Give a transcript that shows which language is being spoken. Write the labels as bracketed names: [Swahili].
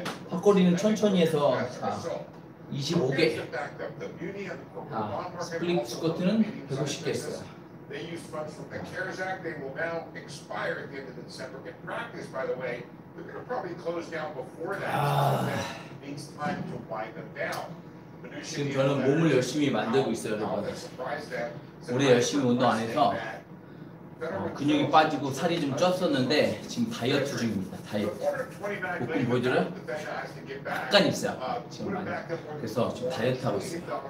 [Korean] 턱걸이는 천천히 해서 자, 25개. 자, 스플릿 스쿼트는 150개 했어요. [English] They used funds from the CARES Act. They will now expire at the end of December. In practice, by the way, they're going to probably close down before that. So that means time to wind them down. [Korean] 지금 저는 몸을 열심히 만들고 있어요, 여러분. 오래 열심히 운동 안 해서 근육이 빠지고 살이 좀 쪘었는데 지금 다이어트 중입니다. 다이어트. 복근 보여드려요? 약간 있어요. 지금 많이. 그래서 지금 다이어트 하고 있어요.